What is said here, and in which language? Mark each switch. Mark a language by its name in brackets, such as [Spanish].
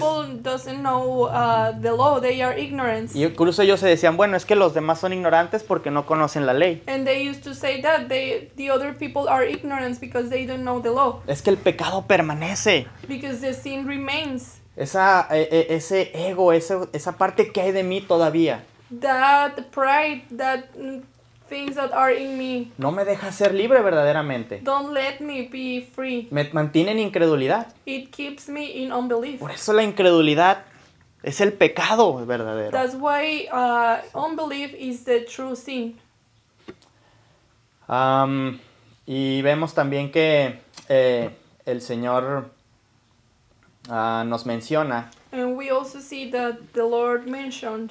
[English] The other people doesn't know the law, they are ignorant. [Spanish] Y incluso ellos se decían, bueno, es que los demás son ignorantes porque no conocen la ley. [English] And they used to say that they, the other people are ignorant because they don't know the law. [Spanish] Es que el pecado permanece. [English] Because the sin remains. [Spanish] Esa, ese ego, esa parte que hay de mí todavía. [English] That pride, that things that are in me. [Spanish] No me deja ser libre verdaderamente. [English] Don't let me be free. [Spanish] Me mantiene en incredulidad. [English] It keeps me in unbelief. [Spanish] Por eso la incredulidad es el pecado verdadero. [English] That's why unbelief is the true sin. [Spanish] Y vemos también que el Señor nos menciona. [English] And we also see that the Lord mentioned